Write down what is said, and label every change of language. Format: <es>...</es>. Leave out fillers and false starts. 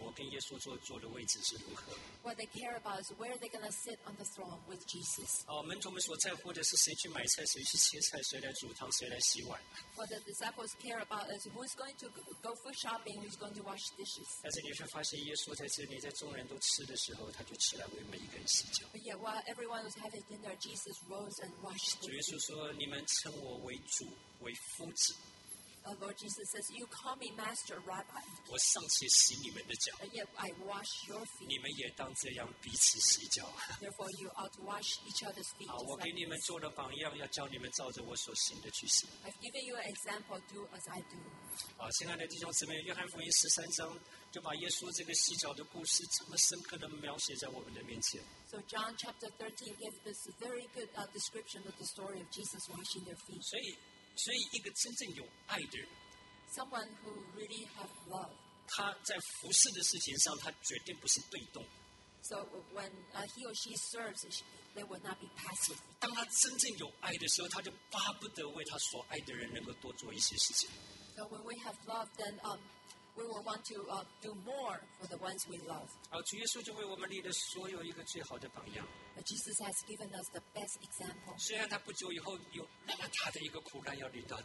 <zh>门徒们在乎的是我坐首位还是坐哪里？我跟耶稣坐的位置是如何？</zh> <en>What they care about is where they're gonna sit on the throne with Jesus.</en> <zh>门徒们所在乎的是谁去买菜，谁去切菜，谁来煮汤，谁来洗碗。</zh> <en>What the disciples care about is who's going to go food shopping, who's going to wash dishes.</en> <zh>但是你会发现，耶稣在这里，在众人都吃的时候，他就起来为每一个人洗脚。</zh> <en>But yet, while everyone was having dinner, Jesus rose and washed.</en> <zh>主耶稣说：“你们称我为主，为夫子。”</zh> <en>Our Lord Jesus says, you call me Master Rabbi.</en> <zh>我尚且洗你们的脚。</zh> <en>And yet I wash your feet.</en> <zh>你们也当这样彼此洗脚。</zh> <en>Therefore you ought to wash each other's feet.</en> <zh>好，我给你们做了榜样， 要教你们照着我所行的去行。</zh> <en>I've given you an example, do as I do.</en> <zh>亲爱的弟兄姊妹， 约翰福音13章 就把耶稣这个洗脚的故事这么深刻地描写在我们的面前。</zh> <en>So John chapter 13 gave this very good description of the story of Jesus washing their feet.</en> <zh>所以一个真正有爱的人，</zh> <en>someone who really have love，</en> <zh>他在服侍的事情上，他绝对不是被动。</zh> <en>So when he or she serves, they will not be passive.</en> <zh>当他真正有爱的时候，他就巴不得为他所爱的人能够多做一些事情。</zh> <en>So when we have love, then we will want to do more for the ones we love.</en> <zh>主耶稣就为我们立了所有一个最好的榜样。</zh> <en>But Jesus has given us the best example.</en> <zh>虽然他不久以后有那么大的一个苦难要领到他。</zh>